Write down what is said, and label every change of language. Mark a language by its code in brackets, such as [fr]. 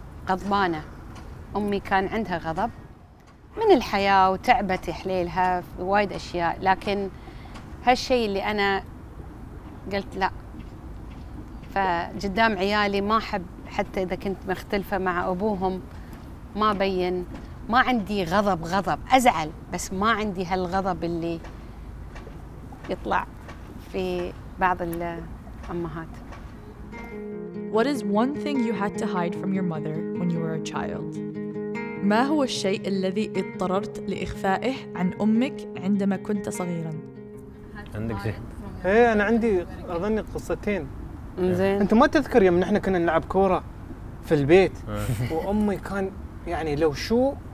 [ar] غضبانة أمي كان عندها غضب من الحياة وتعبت حليلها وايد أشياء لكن هالشيء اللي أنا قلت لا فجدام عيالي ما أحب حتى إذا كنت مختلفة مع أبوهم ما بين ما عندي غضب غضب أزعل بس ما عندي هالغضب اللي يطلع في بعض الأمهات [en] What is one thing you had to hide from your mother when you were a child? [ar] ما هو الشيء الذي اضطررت لإخفائه عن أمك عندما كنت صغيرا؟ عندك زين هي أنا عندي أظني قصتين زين أنت ما تذكر يوم نحن كنا نلعب كورة في البيت وأمي كان يعني لو شو